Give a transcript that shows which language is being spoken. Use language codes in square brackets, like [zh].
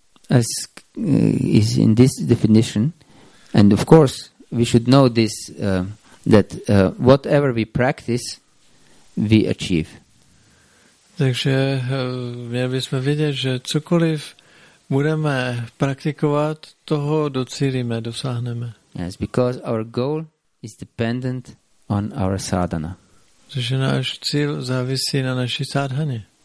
[en] As is in this definition, and of course we should know this, that whatever we practice, we achieve. [cs] Takže měli bychom vědět, že cokoliv budeme praktikovat, toho docílíme, dosáhneme. [en] Yes, because our goal is dependent on our sadhana. [cs] Takže náš cíl závisí na naší sadhaně.